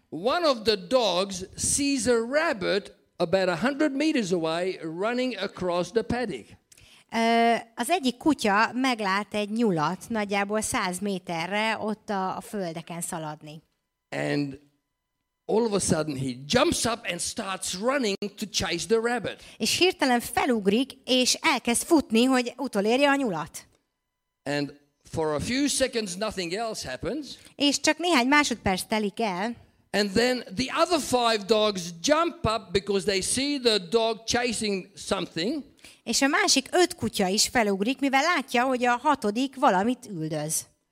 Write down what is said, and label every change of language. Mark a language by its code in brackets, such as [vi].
[en] one of the dogs sees a rabbit about 100 meters away running across the paddock. [hu] Az egyik kutya meglát egy nyulat nagyjából 100 méterre ott a földeken szaladni. [en] And all of a sudden he jumps up and starts running to chase the rabbit. [hu] És hirtelen felugrik és elkezd futni, hogy utolérje a nyulat. [en] And for a few seconds nothing else happens. [hu] És csak néhány másodperc telik el. [en] And then the other 5 dogs jump up because they see the dog chasing something. [hu] És a másik 5 kutya is felugrik, mivel látja, hogy a hatodik valamit üldöz.